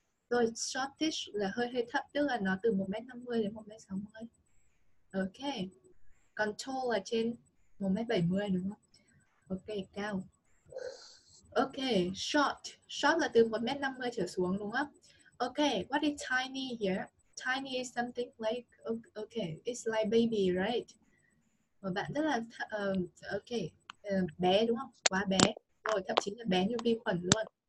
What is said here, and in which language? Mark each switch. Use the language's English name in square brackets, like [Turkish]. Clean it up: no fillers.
[Vietnamese] Rồi, shortish là hơi thấp, tức là nó từ 1m50 đến 1m60. Ok. Còn tall là trên 1m70 đúng không? Ok, cao. Ok, short. Short là từ 1m50 trở xuống đúng không? [English] Ok, what is tiny here? Tiny is something like, ok, it's like baby, right? [Vietnamese] Một bạn rất là, ok. Bé đúng không? Quá bé. Rồi thậm chí là bé như vi khuẩn luôn.